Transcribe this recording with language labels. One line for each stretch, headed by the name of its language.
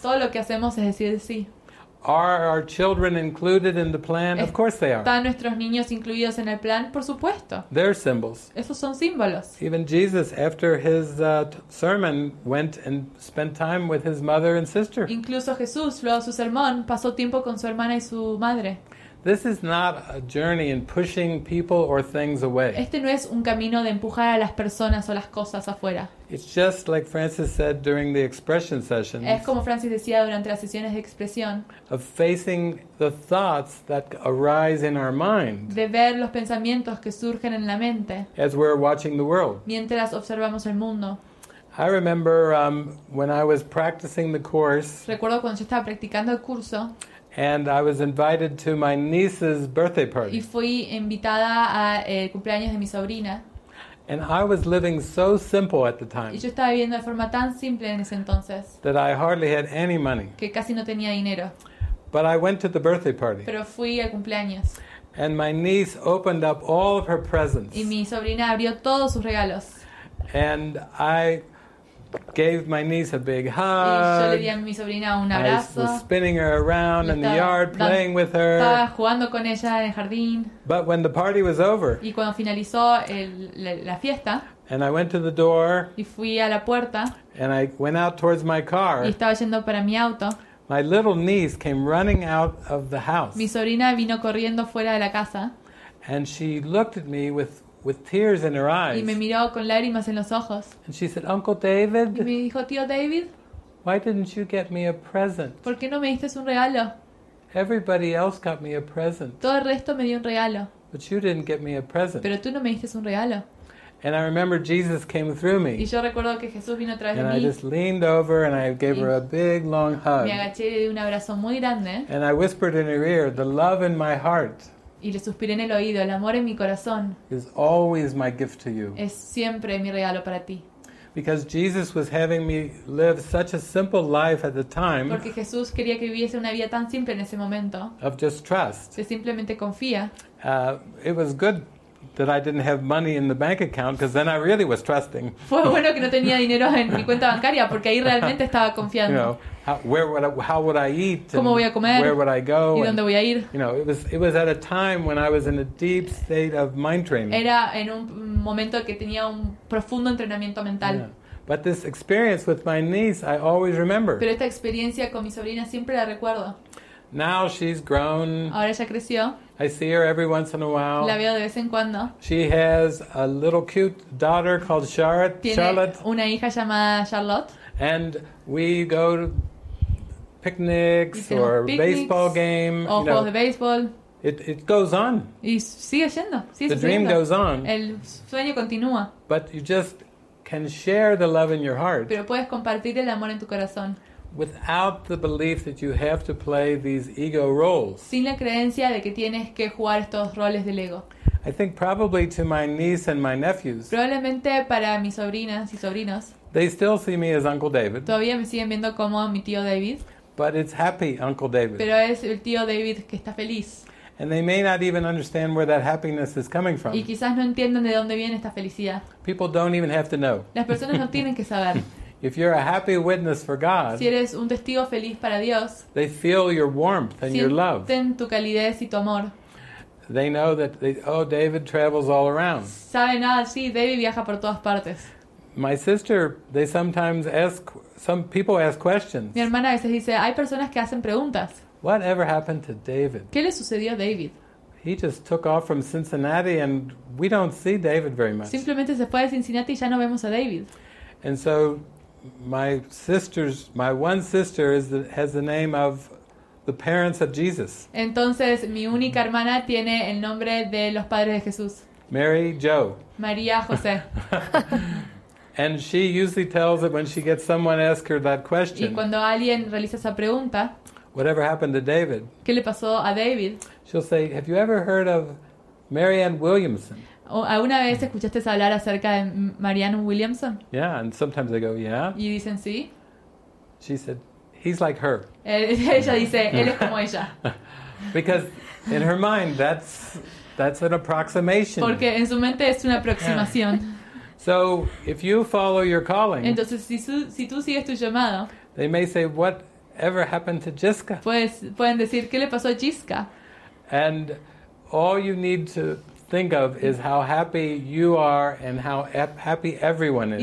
Spanish: Todo lo que hacemos es decir sí.
English: Are our children included in the plan? Of course they are.
Spanish: ¿Están nuestros niños incluidos en el plan? Por supuesto.
English: They're symbols.
Spanish: Esos son símbolos.
English: Even Jesus, after his sermon, went and spent time with his mother and sister.
Spanish: Incluso Jesús, luego de su sermón, pasó tiempo con su hermana y su madre.
English: This is not a journey in pushing people or things away.
Spanish: Este no es un camino de empujar a las personas o las cosas afuera.
English: It's just like Francis said during the expression sessions.
Spanish: Es como Francis decía durante las sesiones de expresión.
English: Of facing the thoughts that arise in our mind.
Spanish: De ver los pensamientos que surgen en la mente.
English: As we're watching the world.
Spanish: Mientras observamos el mundo.
English: I remember when I was practicing the course.
Spanish: Recuerdo cuando yo estaba practicando el curso.
English: And I was invited to my niece's birthday party.
Spanish: Y fui invitada a el cumpleaños de mi sobrina.
English: And I was living so simple at the time.
Spanish: Y yo estaba viviendo de forma tan simple en ese entonces.
English: That I hardly had any money.
Spanish: Que casi no tenía dinero.
English: But I went to the birthday party.
Spanish: Pero fui al cumpleaños.
English: And my niece opened up all of her presents.
Spanish: Y mi sobrina abrió todos sus regalos.
English: And I gave my niece a big hug.
Spanish: Y yo le di a mi sobrina un abrazo.
English: I was spinning her around in the yard, playing with her.
Spanish: Estaba jugando con ella en el jardín.
English: But when the party was over,
Spanish: y cuando finalizó la fiesta,
English: and I went to the door,
Spanish: y fui a la puerta,
English: and I went out towards my car,
Spanish: y estaba yendo para mi auto,
English: my little niece came running out of the house.
Spanish: Mi sobrina vino corriendo fuera de la casa,
English: and she looked at me with tears in her eyes.
Spanish: Y me miró con lágrimas en los ojos.
English: And she said, "Uncle David."
Spanish: Y me dijo, "Tío David."
English: "Why didn't you get me a present?"
Spanish: ¿Por qué no me diste un regalo?
English: "Everybody else got me a present."
Spanish: Todo el resto me dio un regalo.
English: "But you didn't get me a present."
Spanish: Pero tú no me diste un regalo.
English: And I remember Jesus came through me.
Spanish: Y yo recuerdo que Jesús vino a través de mí.
English: And I just leaned over and I gave her a big long hug.
Spanish: Me agaché y le di un abrazo muy grande.
English: And I whispered in her ear, "The love in my heart."
Spanish: Y le suspiré en el oído, el amor en mi corazón
English: is always my gift to you.
Spanish: Es siempre mi regalo para ti.
English: Because Jesus was having me live such a simple life at the time.
Spanish: Porque Jesús quería que viviese una vida tan simple en ese momento.
English: Of just trust.
Spanish: De simplemente confía.
English: It was good that I didn't have money in the bank account because then I really was trusting.
Spanish: Fue bueno que no tenía dinero en mi cuenta bancaria porque ahí realmente estaba confiando.
English: You know, how would I eat?
Spanish: ¿Cómo voy a comer?
English: Where would I go?
Spanish: ¿Y dónde voy a ir?
English: You know, it was at a time when I was in a deep state of mind training.
Spanish: Era en un momento que tenía un profundo entrenamiento mental.
English: Yeah. But this experience with my niece, I always remember.
Spanish: Pero esta experiencia con mi sobrina siempre la recuerdo.
English: Now she's grown.
Spanish: Ahora ella creció.
English: I see her every once in a while.
Spanish: La veo de vez en cuando.
English: She has a little cute daughter called Charlotte.
Spanish: Tiene Charlotte. Una hija llamada Charlotte.
English: And we go to picnics or
Spanish: picnics,
English: baseball game.
Spanish: O juegos de béisbol.
English: It goes on.
Spanish: Y sigue yendo.
English: The dream goes on.
Spanish: El sueño continúa.
English: But you just can share the love in your heart.
Spanish: Pero puedes compartir el amor en tu corazón.
English: Without the belief that you have to play these ego roles.
Spanish: Sin la creencia de que tienes que jugar estos roles del ego.
English: I think probably to my niece and my nephews.
Spanish: Probablemente para mis sobrinas y sobrinos.
English: They still see me as Uncle David.
Spanish: Todavía me siguen viendo como mi tío David.
English: But it's happy Uncle David.
Spanish: Pero es el tío David que está feliz.
English: And they may not even understand where that happiness is coming from.
Spanish: Y quizás no entiendan de dónde viene esta felicidad.
English: People don't even have to know.
Spanish: Las personas no tienen que saber.
English: If you're a happy witness for God,
Spanish: si eres un testigo feliz para Dios,
English: they feel your warmth and your love.
Spanish: Sienten tu calidez y tu amor.
English: They know that David travels all around.
Spanish: Saben, ah, sí, David viaja por todas partes.
English: My sister, they sometimes ask, some people ask questions.
Spanish: Mi hermana a veces dice, hay personas que hacen preguntas.
English: Whatever happened to David?
Spanish: ¿Qué le sucedió a David?
English: He just took off from Cincinnati and we don't see David very much.
Spanish: Simplemente se fue de Cincinnati y ya no vemos a David.
English: And so my one sister has the name of the parents of Jesus.
Spanish: Entonces mi única hermana tiene el nombre de los padres de Jesús.
English: Mary Jo.
Spanish: María José.
English: And she usually tells it when she gets someone ask her that question.
Spanish: Y cuando alguien realiza esa pregunta,
English: whatever happened to David?
Spanish: ¿Qué le pasó a David?
English: She'll say, "Have you ever heard of Marianne Williamson?"
Spanish: ¿Alguna vez escuchaste hablar acerca de Marianne Williamson?
English: Yeah, and sometimes they go, "Yeah."
Spanish: Y dicen sí.
English: She said, "He's like her."
Spanish: Ella dice, él es como ella.
English: Because in her mind, that's an approximation.
Spanish: Porque en su mente es una aproximación.
English: So if you follow your calling,
Spanish: entonces si tú sigues tu llamado,
English: they may say, "What ever happened to Jiska?"
Spanish: Pues pueden decir, ¿qué le pasó a Jiska?
English: And all you need to think of is how happy you are and how happy everyone is.